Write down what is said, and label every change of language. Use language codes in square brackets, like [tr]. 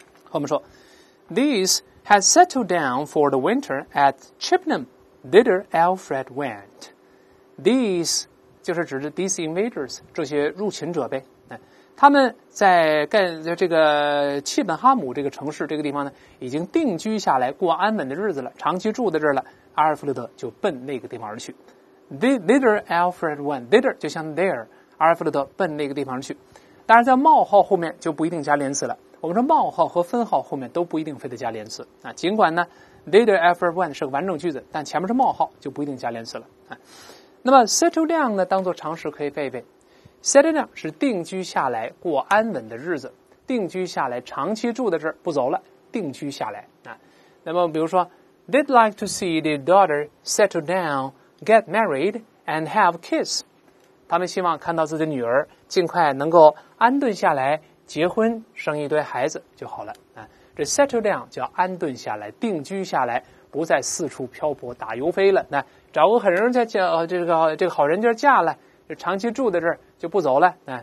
[zh] 我们说 [en] These had settled down for the winter at Chippenham， thither Alfred went。 [zh] These 就是指着 these invaders， 这些入侵者呗。他们在这个切本哈姆这个城市这个地方呢已经定居下来，过安稳的日子了，长期住在这儿了，阿尔弗勒德就奔那个地方而去。 [en] Thither Alfred went， [zh] Thither 就像 there， 阿尔弗勒德奔那个地方而去。当然在冒号后面就不一定加连词了，我们说冒号和分号后面都不一定非得加连词，尽管呢 [en] Thither Alfred went [zh] 是个完整句子，但前面是冒号就不一定加连词了。那么 settle down 呢当做常识可以背一背， settle down 是定居下来，过安稳的日子，定居下来，长期住在这儿不走了，定居下来。那么比如说 [en] They'd like to see the daughter settle down, get married, and have kids. [zh] 他们希望看到自己的女儿尽快能够安顿下来，结婚，生一堆孩子就好了。这 settle down 叫安顿下来，定居下来，不再四处漂泊打游飞了。找个狠人家这个好人家嫁了，就长期住在这儿就不走了。